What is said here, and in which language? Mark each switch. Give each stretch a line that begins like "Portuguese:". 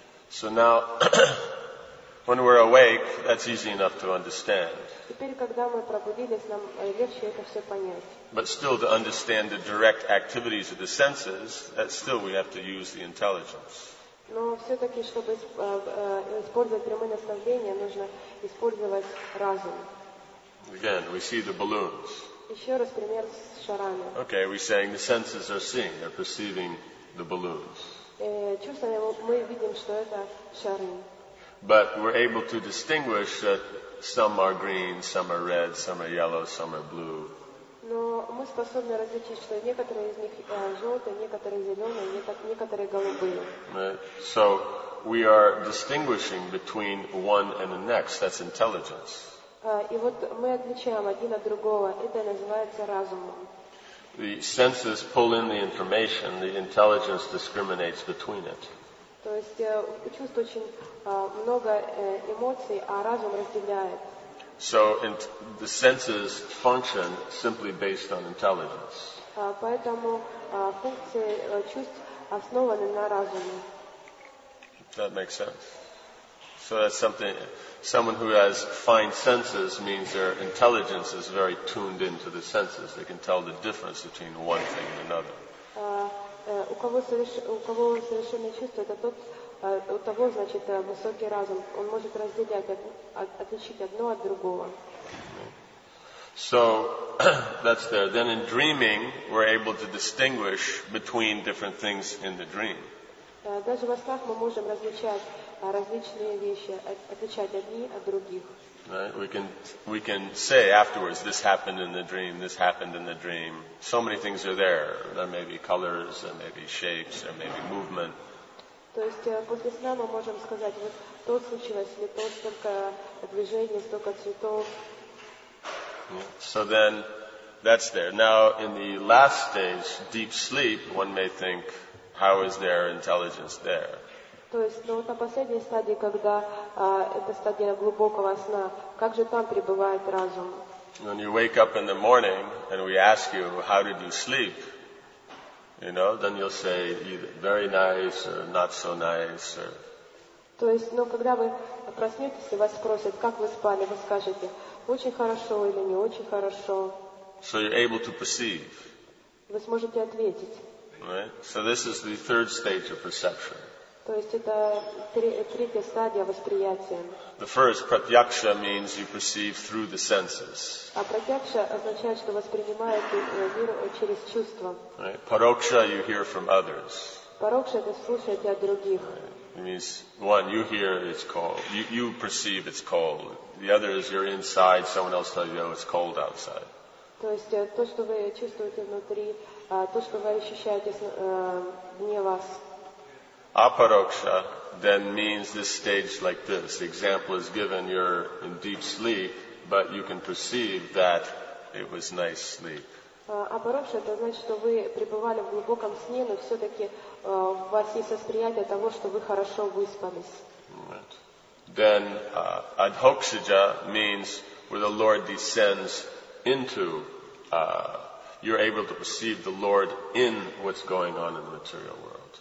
English: So now, when we're awake, that's easy enough to understand. But still, to understand the direct activities of the senses, that still we have to use the intelligence.
Russian: Но все-таки, чтобы использовать прямые наставления, нужно использовать разум.
English: Again, we see the balloons.
Russian: Еще раз пример с шарами.
English: Okay, we're saying the senses are seeing, they're perceiving the balloons.
Russian: Чувствами мы видим, что это шары.
English: But we're able to distinguish that some are green, some are red, some are yellow, some are blue.
Russian: Но мы способны различить, что некоторые из них желтые, некоторые зеленые, некоторые голубые.
English: So we are distinguishing between one and the next. That's intelligence.
Russian: И вот мы отличаем один от другого. Это называется разумом.
English: The senses pull in the information. The intelligence discriminates between it.
Russian: То есть чувств очень много эмоций, а разум разделяет.
English: So the senses function simply based on intelligence.
Russian: Поэтому функции чувств основаны на разуме.
English: That makes sense. So that's something. Someone who has fine senses means their intelligence is very tuned into the senses. They can tell the difference between one thing and another.
Russian: У кого совершенные чувства, это тот. У того, значит, высокий разум, он может разделять, отличить одно от другого.
English: So, that's there. Then in dreaming, we're able to distinguish between different things in the dream.
Russian: Даже во снах мы можем различать различные вещи, отличать одни от других.
English: Right? We can say afterwards, this happened in the dream, this happened in the dream. So many things are there. There may be colors, there may be shapes, there may be movement.
Russian: То есть после сна мы можем сказать, вот то случилось, или то, столько движений, столько цветов.
English: So then, that's there. Now, in the last stage, deep sleep, one may think, how is their intelligence there?
Russian: То есть, ну вот на последней стадии, когда это стадия глубокого сна, как же там пребывает разум?
English: When you wake up in the morning, and we ask you, how did you sleep? You know, then you'll say either very nice or not so nice. Or...
Russian: То есть, ну, когда вы проснетесь, вас спросят, как вы спали, вы скажете, очень хорошо или не очень хорошо.
English: So you're able to perceive.
Russian: Вы сможете ответить.
English: Right? So this is the third stage of perception.
Russian: То есть это третья стадия восприятия.
English: The first, pratyaksha, means you perceive through the senses.
Russian: А pratyaksha означает, что воспринимаете мир через чувства.
English: Right. Paroksha, you hear from others.
Russian: Paroksha, это слушаете от других.
English: It means, one, you hear it's cold. You perceive it's cold. The other is you're inside, someone else tells you, oh, it's cold outside.
Russian: То есть то, что вы чувствуете внутри, то, что вы ощущаете вне вас.
English: Aparoksha then means this stage like this. The example is given, you're in deep sleep, but you can perceive that it was nice sleep.
Russian: Aparoksha, это значит, что вы пребывали в глубоком сне, но все-таки у вас есть восприятие того, что вы хорошо выспались.
English: Right. Then Adhokshaja means where the Lord descends into, you're able to perceive the Lord in what's going on in the material world.